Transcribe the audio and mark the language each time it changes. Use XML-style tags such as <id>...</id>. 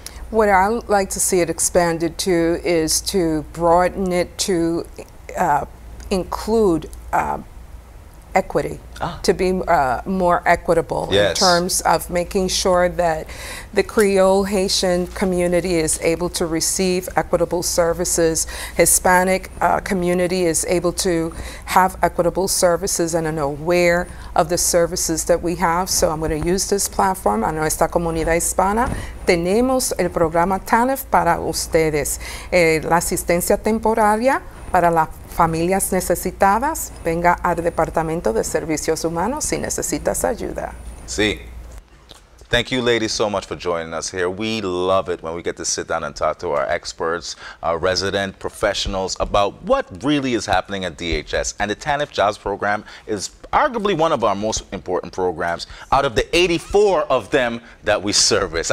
<en>What I like to see it expanded to is to broaden it to include equity, to be more equitable, yes. in terms of making sure that the Creole Haitian community is able to receive equitable services, Hispanic community is able to have equitable services and are aware of the services that we have. So I'm going to use this platform,</en> <es>a nuestra comunidad hispana, tenemos el programa TANF para ustedes, la asistencia temporaria para las familias necesitadas, venga al Departamento de Servicios Humanos si necesitas ayuda. Sí.</es> <en>Thank you, ladies, so much for joining us here. We love it when we get to sit down and talk to our experts, our resident professionals about what really is happening at DHS. And the TANF Jobs Program is arguably one of our most important programs out of the 84 of them that we service.</en>